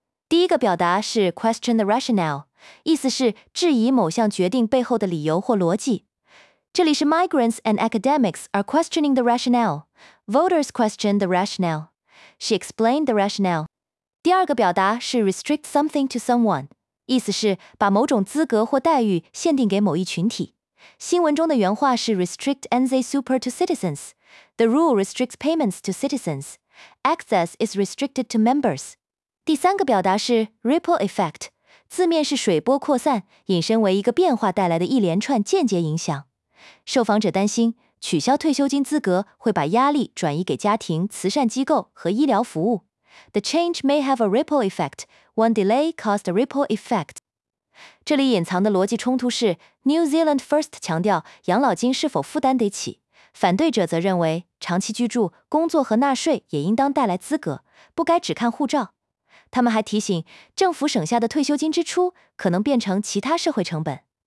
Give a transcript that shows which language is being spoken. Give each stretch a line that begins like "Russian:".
Chinese: 第一个表达是
English: question the rationale，
Chinese: 意思是质疑某项决定背后的理由或逻辑。这里是
English: migrants and academics are questioning the rationale， voters question the rationale， she explained the rationale。
Chinese: 第二个表达是
English: restrict something to someone，
Chinese: 意思是把某种资格或待遇限定给某一群体。新闻中的原话是
English: restrict NZ Super to citizens， the rule restricts payments to citizens， access is restricted to members。
Chinese: 第三个表达是
English: ripple effect，
Chinese: 字面是水波扩散，引申为一个变化带来的一连串间接影响。受访者担心取消退休金资格会把压力转移给家庭、慈善机构和医疗服务。
English: The change may have a ripple effect. One delay caused a ripple effect。
Chinese: 这里隐藏的逻辑冲突是 New Zealand First 强调养老金是否负担得起，反对者则认为长期居住、工作和纳税也应当带来资格，不该只看护照。他们还提醒，政府省下的退休金支出可能变成其他社会成本。